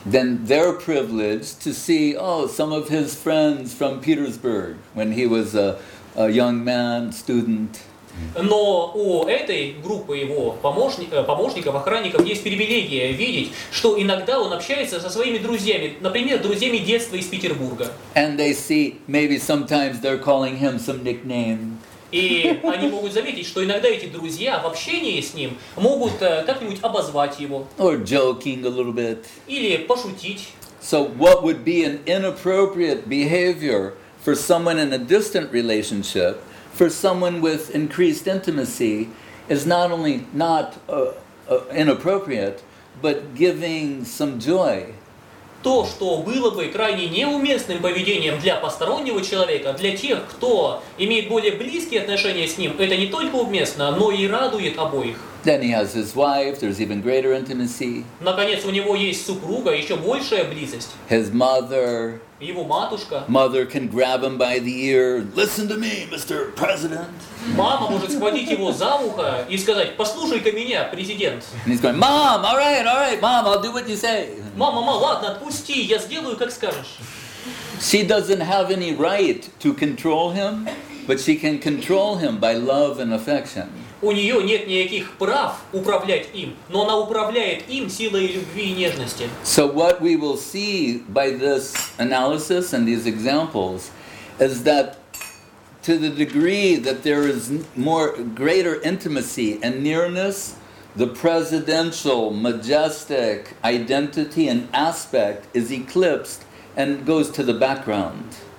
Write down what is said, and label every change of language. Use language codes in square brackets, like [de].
[en] Then they're privileged to see, oh, some of his friends from Petersburg when he was a young man, student. [ru] Но у этой группы его помощников, охранников есть привилегия видеть, что иногда он общается со своими друзьями, например, друзьями детства из Петербурга. [en] And they see, maybe sometimes they're calling him some nickname. [ru] И они могут заметить, что иногда эти друзья в общении с ним могут как-нибудь обозвать его. [en] Or joking a little bit. [ru] Или пошутить. [en] So what would be an inappropriate behavior for someone in a distant relationship, for someone with increased intimacy, is not only not inappropriate, but giving some joy. [ru] То, что было бы крайне неуместным поведением для постороннего человека, для тех, кто имеет более близкие отношения с ним, это не только уместно, но и радует обоих. [en] Then he has his wife, there's even greater intimacy. [ru] Наконец, у него есть супруга, еще большая близость. [en] His mother. [ru] Его матушка. [en] Mother can grab him by the ear. Listen to me, Mr. President. [ru] Мама может схватить его за ухо и сказать: «Послушай-ка меня, президент». [en] And he's going, Mom, all right, Mom, I'll do what you say. [ru] Мама, ладно, отпусти, я сделаю, как скажешь. [en] She doesn't have any right to control him, but she can control him by love and affection. [ru] У нее нет никаких прав управлять им, но она управляет им силой любви и нежности. [en] So what we will see by this analysis and these examples is that to the degree that there is more greater intimacy and nearness, the presidential, majestic identity and aspect is eclipsed and goes to the background.